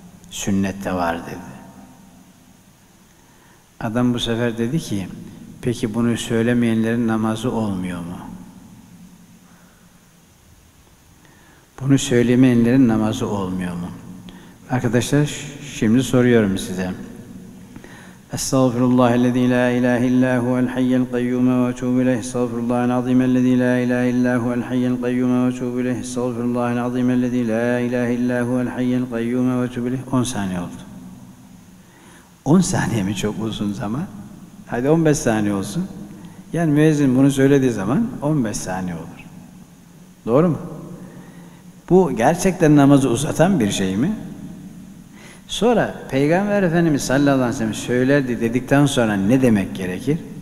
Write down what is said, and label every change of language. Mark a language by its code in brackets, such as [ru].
[tr] Sünnette var dedi. Adam bu sefer dedi ki, Peki bunu söylemeyenlerin namazı olmuyor mu? Bunu söylemeyenlerin namazı olmuyor mu? Arkadaşlar şimdi soruyorum size. [ar] Estağfirullah الذي لا إله إلا هو الحي القيوم واتوب إليه استغفر الله العظيم الذي لا إله إلا هو الحي القيوم واتوب إليه استغفر الله العظيم الذي لا إله إلا هو الحي القيوم واتوب إليه [tr] 10 saniye oldu. 10 saniye mi çok uzun zaman? Hadi 15 saniye olsun. Yani müezzin bunu söylediği zaman 15 saniye olur. Doğru mu? Bu gerçekten namazı uzatan bir şey mi? Sonra Peygamber Efendimiz sallallahu aleyhi ve sellem söylerdi dedikten sonra ne demek gerekir?